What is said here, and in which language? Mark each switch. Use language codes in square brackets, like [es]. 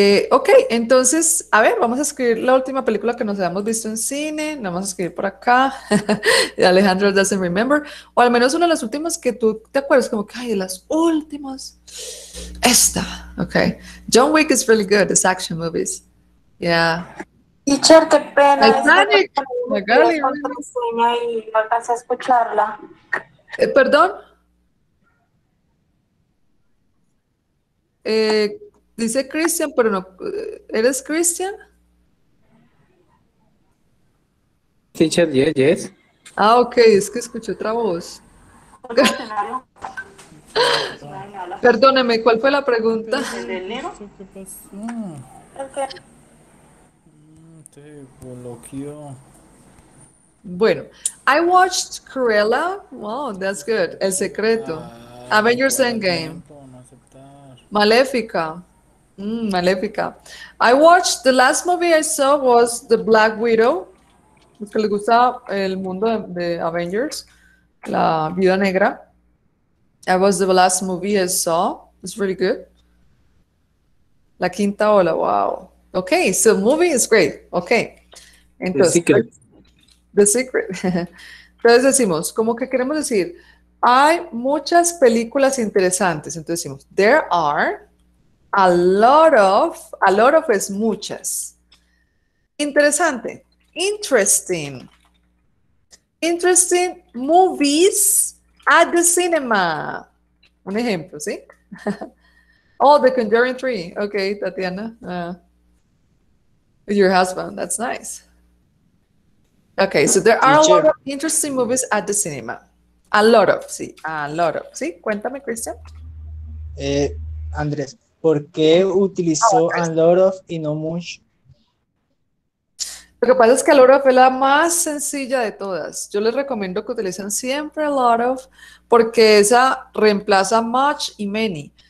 [es] Ok, entonces, a ver, vamos a escribir la última película que nos hayamos visto en cine. La vamos a escribir por acá. Alejandro doesn't remember. O al menos una de las últimas que tú te acuerdas, como que, ay, de las últimas. Esta, ok. [en] John Wick is really good, it's action movies. Yeah. [es] Teacher, qué pena. [en] Titanic. [es] Magali. No alcancé a escucharla. Perdón. Dice Cristian, pero no. ¿Eres Cristian? [en] Teacher, yes, yes. [es] Ah, ok, es que escuché otra voz. Perdóneme, ¿cuál fue la pregunta? ¿De enero? ¿Qué pasó? [en] Bueno, I watched Cruella. Wow, that's good. El secreto. [es] Avengers Endgame. Maléfica. Maléfica. [en] I watched, the last movie I saw was The Black Widow. [es] Es que le gusta el mundo de Avengers, la Viuda Negra. [en] That was the last movie I saw. It's really good. La Quinta Ola, wow. Okay, so movie is great. Okay. [es] Entonces, The Secret. The Secret. Entonces decimos, ¿cómo que queremos decir? Hay muchas películas interesantes. Entonces decimos, there are a lot of es muchas. Interesante. [en] Interesting. Interesting movies at the cinema. Un ejemplo, ¿sí? Oh, The Conjuring 3. Okay, Tatiana. Your husband, that's nice. Okay, so there are a lot of interesting movies at the cinema. A lot of, sí, a lot of. Sí, cuéntame, Christian. [es] Andrés, ¿por qué utilizó a lot of y no much? Lo que pasa es que a lot of es la más sencilla de todas. Yo les recomiendo que utilicen siempre a lot of porque esa reemplaza much y many.